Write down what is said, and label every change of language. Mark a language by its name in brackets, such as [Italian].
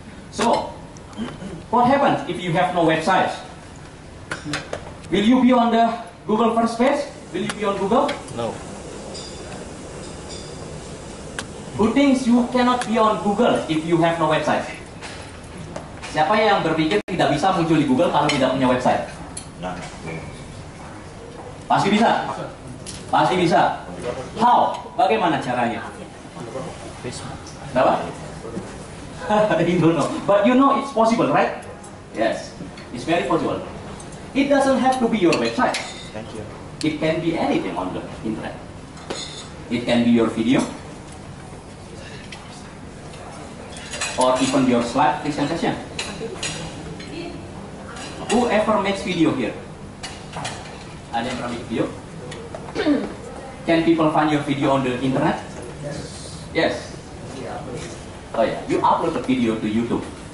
[English] So, what happens if you have no website? Will you be on the Google first page? Will you be on Google? No. Who thinks you cannot be on Google if you have no website? [Indonesian] Siapa yang berpikir tidak bisa muncul di Google kalau tidak punya website? Nah. Pasti bisa. Pasti bisa. [English] How? [Indonesian] Bagaimana caranya? [English] Facebook. [Indonesian] Kenapa? [English] I don't know. But you know it's possible, right? Yes. It's very possible. It doesn't have to be your website. Thank you. It can be anything on the internet. It can be your video. Or even your slide presentation. Whoever makes video here? [Indonesian] Ada yang pernah make video? [English] Can people find your video on the internet? Yes. Yes. Oh yeah, you upload the video to YouTube.